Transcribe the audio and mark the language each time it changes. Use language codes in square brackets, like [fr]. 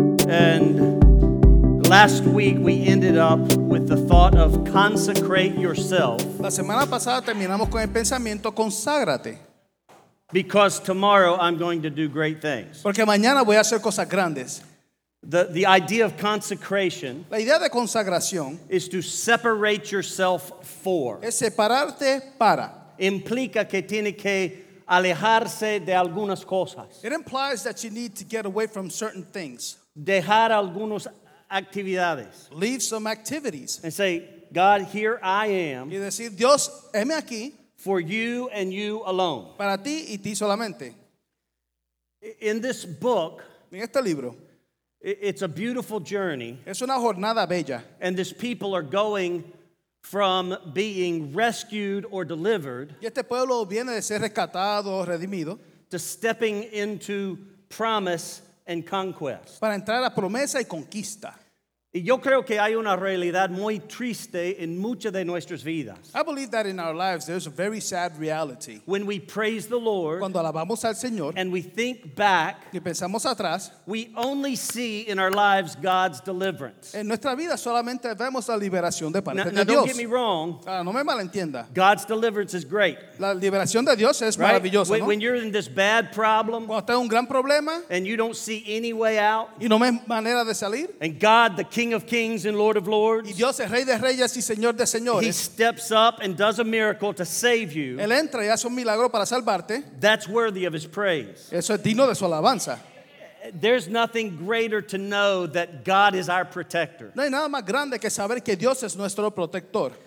[en] And last week we ended up with the thought of consecrate yourself. [es] La semana pasada terminamos con el pensamiento conságrate. [en] Because tomorrow I'm going to do great things. [es] Porque mañana voy a hacer cosas grandes. [en] The idea of consecration, [es] la idea de consagración, [en] is to separate yourself for. [es] Es separarte para. Implica que tiene que alejarse de algunas cosas. [en] It implies that you need to get away from certain things. [es] Dejar algunas actividades. [en] Leave some activities. And say, God, here I am. [es] Y decir, Dios, heme aquí. [en] For you and you alone. [es] Para ti y ti solamente. [en] In this book, [es] en este libro, [en] it's a beautiful journey. [es] Es una jornada bella. [en] And this people are going from being rescued or delivered, [es] y este pueblo viene de ser rescatado o redimido, [en] to stepping into promise and conquest. [es] Para entrar a promesa y conquista. Y yo creo que hay una realidad muy triste en muchas de nuestras vidas. [en] I believe that in our lives there's a very sad reality. When we praise the Lord, [es] cuando alabamos al Señor, [en] and we think back, [es] y pensamos atrás, [en] we only see in our lives God's deliverance. [es] En nuestra vida solamente vemos la liberación de parte de [en] now [es] Dios. [en] Don't get me wrong. [es] No me malentienda. [en] God's deliverance is great. [es] La liberación de Dios es maravillosa, [en] when, [es] ¿no? [en] When you're in this bad problem, [es] cuando estás en un gran problema, [en] and you don't see any way out, [es] y no hay manera de salir, [en] and God, the King of Kings and Lord of Lords, [es] y Dios es Rey de Reyes y Señor de Señores, [en] he steps up and does a miracle to save you. [es] Él entra y hace un milagro para salvarte. [en] That's worthy of his praise. [es] Eso es digno de su alabanza. [en] There's nothing greater to know that God is our protector. [es] No hay nada más grande que saber que Dios es nuestro protector.